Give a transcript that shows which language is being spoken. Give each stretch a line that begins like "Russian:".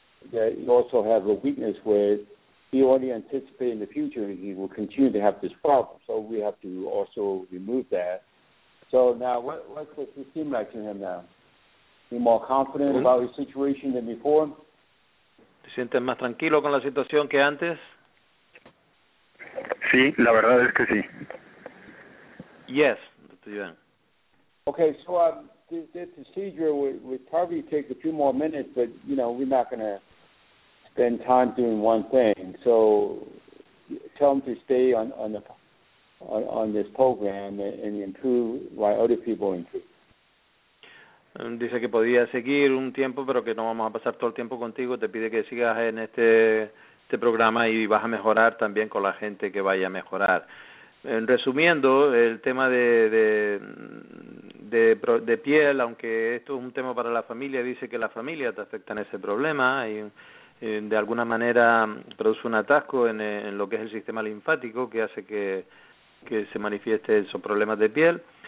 English: that you also have a weakness where he only anticipated in the future and he will continue to have this problem. So we have to also remove that. So now, what does it seem like to him now? He more confident about his situation than before?
Spanish: ¿Te sientes más tranquilo con la situación que antes? Sí, la verdad es que sí.
English: Yes, Dr. Yuan. Okay, so the procedure would probably take a few more minutes, but, you know, we're not going to spend time doing one thing. So tell him to stay on this program and improve while other people improve.
Spanish: Dice que podía seguir un tiempo, pero que no vamos a pasar todo el tiempo contigo. Te pide que sigas en este programa y vas a mejorar también con la gente que vaya a mejorar. En resumiendo, el tema de piel, aunque esto es un tema para la familia, dice que la familia te afecta en ese problema y de alguna manera produce un atasco en lo que es el sistema linfático que hace que se manifieste esos problemas de piel.